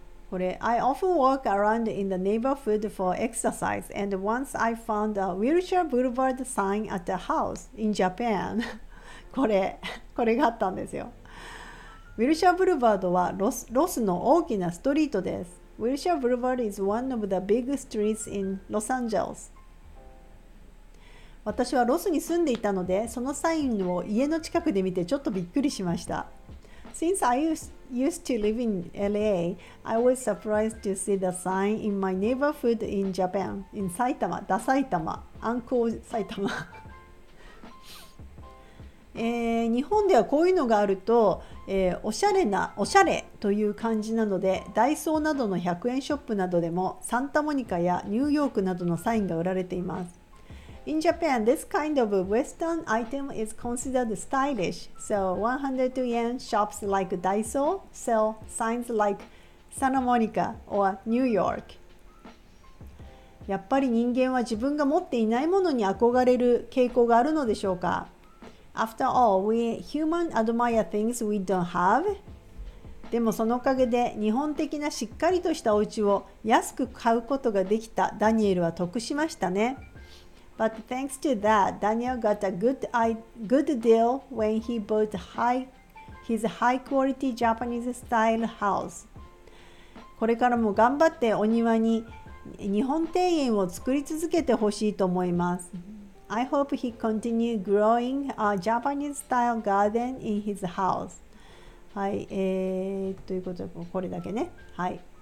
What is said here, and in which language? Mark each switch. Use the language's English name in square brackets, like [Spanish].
[English] これ、I often walk around in the neighborhood for exercise, and once I found a Wilshire Boulevard sign at the house in Japan. [Japanese] これがあったんですよ。 Wilshire Boulevard はロスの大きなストリートです。 [English] Wilshire Boulevard is one of the big streets in Los Angeles. [Japanese] 私はロスに住んでいたので、そのサインを家の近くで見てちょっとびっくりしました。 [English] Since I used to live in LA, I was surprised to see the sign in my neighborhood in Japan. [Japanese] In 埼玉、ダ埼玉、アンコー埼玉。日本ではこういうのがあると、おしゃれな、おしゃれという感じなので、ダイソーなどの100円ショップなどでもサンタモニカやニューヨークなどのサインが売られています。 [English] In Japan, this kind of Western item is considered stylish. So 100 yen shops like Daiso sell signs like Santa Monica or New York. [Japanese] やっぱり人間は自分が持っていないものに憧れる傾向があるのでしょうか? [English] After all, we human admire things we don't have. [Japanese] でもそのおかげで日本的なしっかりとしたお家を安く買うことができたダニエルは得しましたね。 [English] But thanks to that, Daniel got a good deal when he bought his high quality Japanese style house. [Japanese] これからも頑張ってお庭に日本庭園を作り続けてほしいと思います。 [English] I hope he continue growing a Japanese style garden in his house. [Japanese] はい、ということでこれだけね。はい。